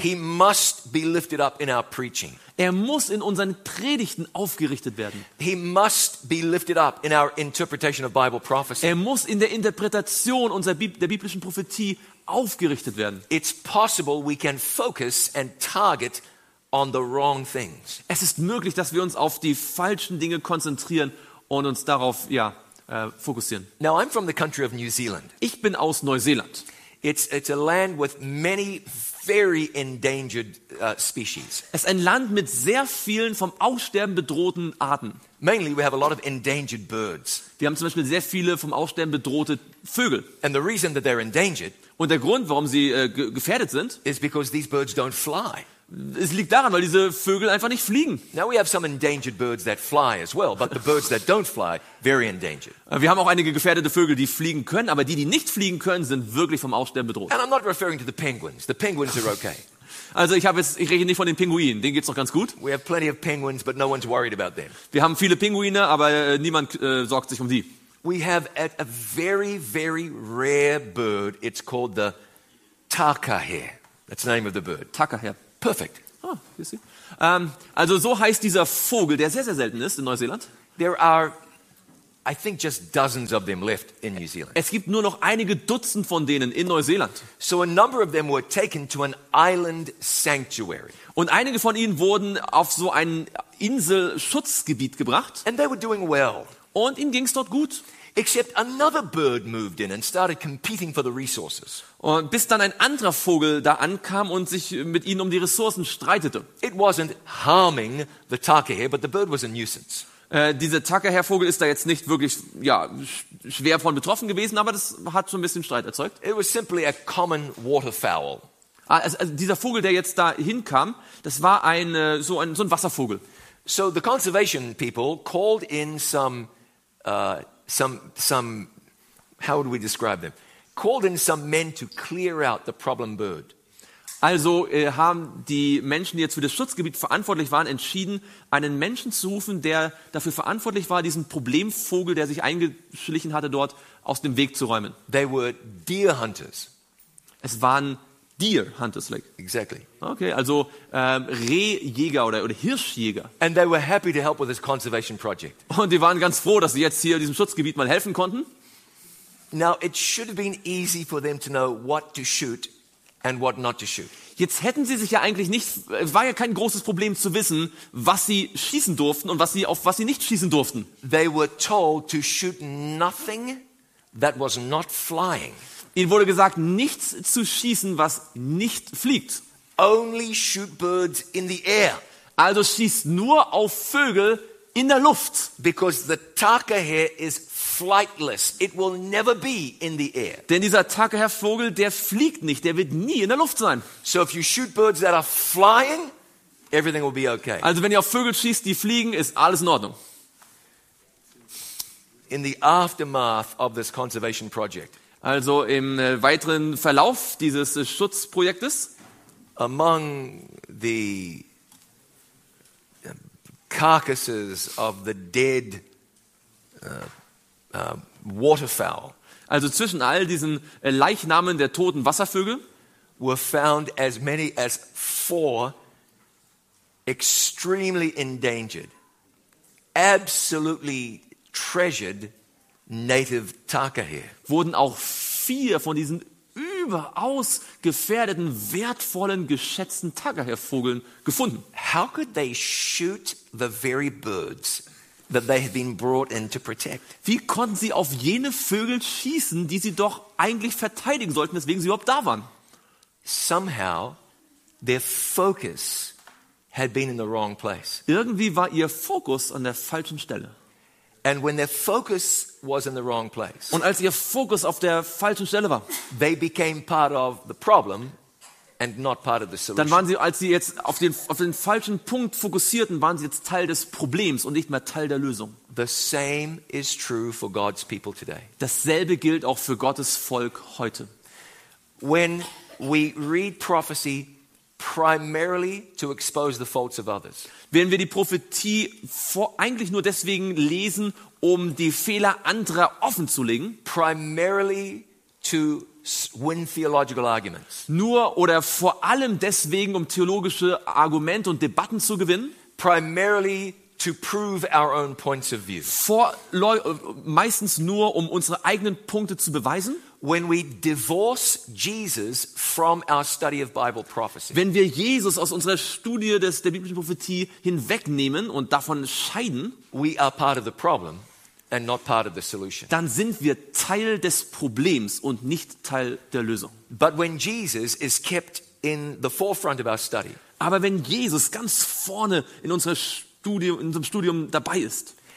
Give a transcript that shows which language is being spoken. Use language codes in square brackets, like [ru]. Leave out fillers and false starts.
[en] He must be lifted up in our preaching. [de] Er muss in unseren Predigten aufgerichtet werden. [en] He must be lifted up in our interpretation of Bible prophecy. [de] Er muss in der Interpretation der biblischen Prophetie aufgerichtet werden. [en] It's possible we can focus and target on the wrong things. [de] Es ist möglich, dass wir uns auf die falschen Dinge konzentrieren und uns darauf fokussieren. [en] Now I'm from the country of New Zealand. [de] Ich bin aus Neuseeland. [en] It's a land with many very endangered species. [de] Es ist ein Land mit sehr vielen vom Aussterben bedrohten Arten. [en] Mainly we have a lot of endangered birds. [de] Wir haben zum Beispiel sehr viele vom Aussterben bedrohte Vögel. [en] And the reason that they're endangered. [de] Und der Grund, warum sie gefährdet sind, [en] is because these birds don't fly. [de] Es liegt daran, weil diese Vögel einfach nicht fliegen. [en] Now we have some endangered birds that fly as well, but the birds that don't fly, very endangered. [de] Wir haben auch einige gefährdete Vögel, die fliegen können, aber die nicht fliegen können, sind wirklich vom Aussterben bedroht. [en] And I'm not referring to the penguins. The penguins are okay. [de] Also ich rede nicht von den Pinguinen, denen geht's noch ganz gut. [en] We have plenty of penguins, but no one's worried about them. [de] Wir haben viele Pinguine, aber niemand sorgt sich um die. [en] We have a very, very rare bird. It's called the takahe. That's the name of the bird. Takahe. Perfect. Oh, you see. [de] Also so heißt dieser Vogel, der sehr, sehr selten ist in Neuseeland. [en] There are I think just dozens of them left in New Zealand. [de] Es gibt nur noch einige Dutzend von denen in Neuseeland. [en] So a number of them were taken to an island sanctuary. [de] Und einige von ihnen wurden auf so ein Inselschutzgebiet gebracht. [en] And they were doing well. [de] Und ihnen ging's dort gut. [en] Except another bird moved in and started competing for the resources. [de] Und bis dann ein anderer Vogel da ankam und sich mit ihnen um die Ressourcen streitete. [en] It wasn't harming the takahe, but the bird was a nuisance. [de] Dieser Takaherr-Vogel ist da jetzt nicht wirklich ja schwer von betroffen gewesen, aber das hat schon ein bisschen Streit erzeugt. [en] It was simply a common waterfowl. [de] Also dieser Vogel, der jetzt da hinkam, das war ein Wasservogel. [en] So the conservation people called in some how would we describe them? Called in some men to clear out the problem bird. [de] Also haben die Menschen, die jetzt für das Schutzgebiet verantwortlich waren, entschieden, einen Menschen zu rufen, der dafür verantwortlich war, diesen Problemvogel, der sich eingeschlichen hatte dort, aus dem Weg zu räumen. [en] They were deer hunters. [de] Es waren [en] deer hunters, like. Exactly. [de] Okay, also Rehjäger oder Hirschjäger. [en] And they were happy to help with this conservation project. [de] Und die waren ganz froh, dass sie jetzt hier diesem Schutzgebiet mal helfen konnten. [en] Now it should have been easy for them to know what to shoot. And what not to shoot. [de] Jetzt hätten sie sich ja eigentlich nicht, war ja kein großes Problem zu wissen, was sie schießen durften und auf was sie nicht schießen durften. [en] They were told to shoot nothing that was not flying. [de] Ihnen wurde gesagt, nichts zu schießen, was nicht fliegt. [en] Only shoot birds in the air. [de] Also schießt nur auf Vögel in der Luft. [en] Because the takahe is flightless, it will never be in the air. [de] Denn dieser Takaherr-Vogel, der fliegt nicht, der wird nie in der Luft sein. [en] So if you shoot birds that are flying, everything will be okay. [de] Also wenn ihr auf Vögel schießt, die fliegen, ist alles in Ordnung. [en] In the aftermath of this conservation project. [de] Also im weiteren Verlauf dieses Schutzprojektes. [en] Among the carcasses of the dead waterfowl. [de] Also zwischen all diesen Leichnamen der toten Wasservögel [en] were found as many as 4 extremely endangered, absolutely treasured native takahe. [de] Wurden auch 4 von diesen überaus gefährdeten, wertvollen, geschätzten Takahe-Vögeln gefunden. [en] How could they shoot the very birds that they had been brought in to protect? [de] Wie konnten sie auf jene Vögel schießen, die sie doch eigentlich verteidigen sollten, weswegen sie überhaupt da waren? [en] Somehow their focus had been in the wrong place. [de] Irgendwie war ihr Fokus an der falschen Stelle. [en] And when their focus was in the wrong place. [de] Und als ihr Fokus auf der falschen Stelle war, [en] they became part of the problem and not part of the solution. [de] Dann waren sie, als sie jetzt auf den falschen Punkt fokussierten, waren sie jetzt Teil des Problems und nicht mehr Teil der Lösung. [en] The same is true for God's people today. [de] Dasselbe gilt auch für Gottes Volk heute. [en] When we read prophecy primarily to expose the faults of others. [de] Wenn wir die Prophetie eigentlich nur deswegen lesen, um die Fehler anderer offenzulegen, [en] primarily to win theological arguments. [de] Nur oder vor allem deswegen, um theologische Argumente und Debatten zu gewinnen. [en] Primarily to prove our own points of view. [de] Meistens nur, um unsere eigenen Punkte zu beweisen. [en] When we divorce Jesus from our study of Bible prophecy. [de] Wenn wir Jesus aus unserer Studie der biblischen Prophetie hinwegnehmen und davon scheiden, [en] we are part of the problem. And not part of the solution. [de] Dann sind wir Teil des Problems und nicht Teil der Lösung. [en] But when Jesus is kept in the forefront of our study. [de] Aber wenn Jesus ganz vorne in unserem Studium dabei ist.